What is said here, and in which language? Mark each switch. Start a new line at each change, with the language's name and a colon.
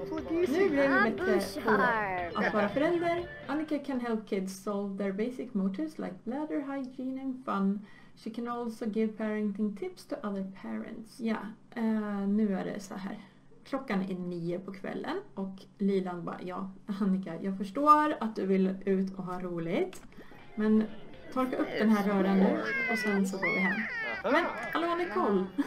Swedish: Nu blir det bättre på att vara förälder.
English: Annika can help kids solve their basic motives like bladder hygiene and fun. She can also give parenting tips to other parents.
Swedish: Ja, nu är det så här. Klockan är 9 på kvällen och Lilan bara, ja Annika, jag förstår att du vill ut och ha roligt. Men torka upp den här röran nu och sen så går vi hem. Men, hallå Nicole!